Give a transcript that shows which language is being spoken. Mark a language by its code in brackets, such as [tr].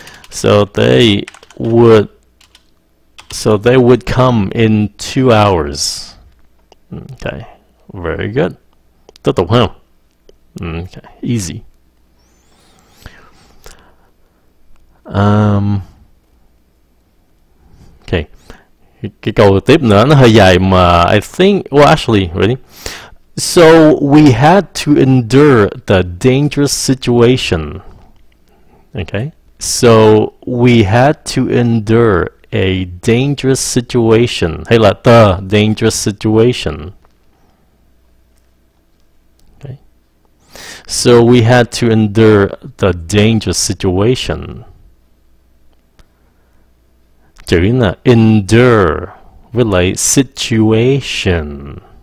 [en] So they would come in 2 hours. Okay. Very good. [vi] Tiếp tục ha. [en] Okay. Easy. Okay. [vi] Cái câu tiếp nữa nó hơi dài mà [en] I think, well actually, ready? So we had to endure the dangerous situation. Okay. So we had to endure a dangerous situation. [vi] Hay là [en] the dangerous situation. Okay. So we had to endure the dangerous situation. [vi] Chữ là endure với lại situation.